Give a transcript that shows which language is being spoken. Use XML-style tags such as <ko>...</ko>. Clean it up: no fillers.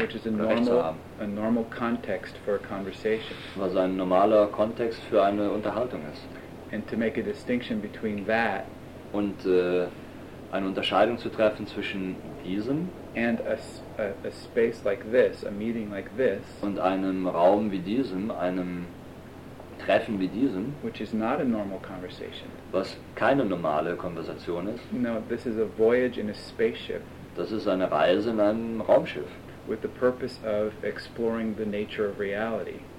<en>which is a normal context for a conversation</en> <de>was ein normaler Kontext für eine Unterhaltung ist</de> <en>and to make a distinction between that</en> <de>und eine Unterscheidung zu treffen zwischen diesem</de> <en>and a space like this, a meeting like this,</en> <de>und einem Raum wie diesem, einem Treffen wie diesem,</de> <en>which is not a normal conversation,</en> <de>was keine normale Konversation ist.</de> <en>No, this is a voyage in a spaceship.</en> <de>Das ist eine Reise in einem Raumschiff.</de> <en>With the purpose of exploring the nature of reality.</en>